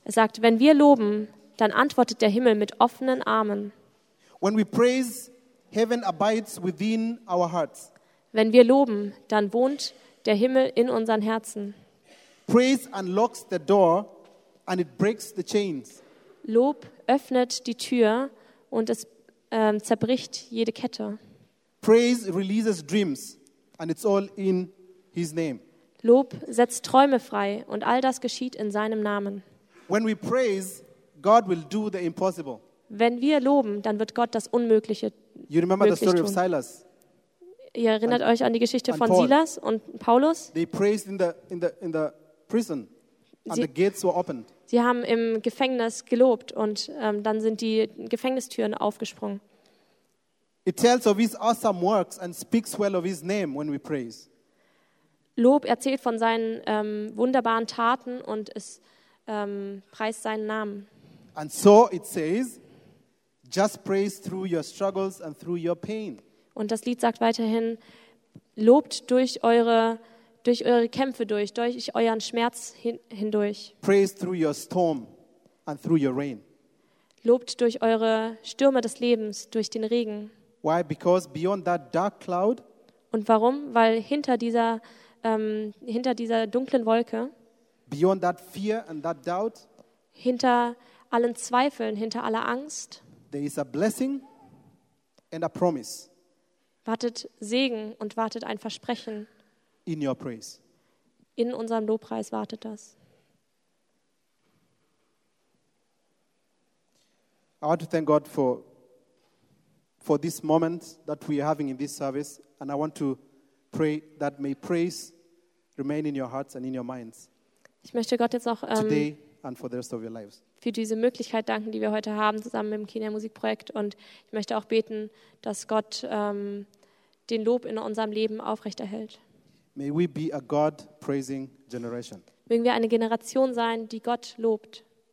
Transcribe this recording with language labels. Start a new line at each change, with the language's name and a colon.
German: Es sagt, wenn wir loben, dann antwortet der Himmel mit offenen Armen.
English: When we praise, heaven abides within our hearts.
German: Wenn wir loben, dann wohnt der Himmel in unseren Herzen.
English: Praise unlocks the door and it breaks the chains.
German: Lob öffnet die Tür und es zerbricht jede Kette.
English: Praise releases dreams and it's all in his name.
German: Lob setzt Träume frei und all das geschieht in seinem Namen.
English: When we praise, God will do the impossible.
German: Wenn wir loben, dann wird Gott das Unmögliche tun.
English: You remember the story of Silas?
German: Ihr erinnert euch an die Geschichte von Silas und Paulus?
English: They praised in the prison and the gates were opened.
German: Sie haben im Gefängnis gelobt und dann sind die Gefängnistüren aufgesprungen.
English: It tells of his awesome works and speaks well of his name when we praise.
German: Lob, erzählt von seinen wunderbaren Taten und es preist seinen Namen.
English: And so it says, just praise through your struggles and through your pain.
German: Und das Lied sagt weiterhin, lobt durch eure Kämpfe durch euren Schmerz hindurch.
English: Praise through your storm and through your rain.
German: Lobt durch eure Stürme des Lebens, durch den Regen.
English: Why? Because beyond that dark cloud.
German: Und warum? Weil hinter dieser dunklen Wolke,
English: beyond that fear and that doubt,
German: hinter allen Zweifeln, hinter aller Angst,
English: there is a blessing and a promise.
German: Wartet Segen und wartet ein Versprechen.
English: In your praise.
German: In unserem Lobpreis wartet das.
English: I want to thank God for this moment that we are having in this service, and I want to pray that may praise remain in your hearts and in your minds.
German: Ich möchte Gott jetzt auch
English: today and for the rest of your lives.
German: Für diese Möglichkeit danken, die wir heute haben, zusammen mit dem Kenia Musikprojekt. Und ich möchte auch beten, dass Gott den Lob in unserem Leben aufrechterhält.
English: May we be a God-praising generation.
German: Mögen wir eine Generation sein, die Gott lobt.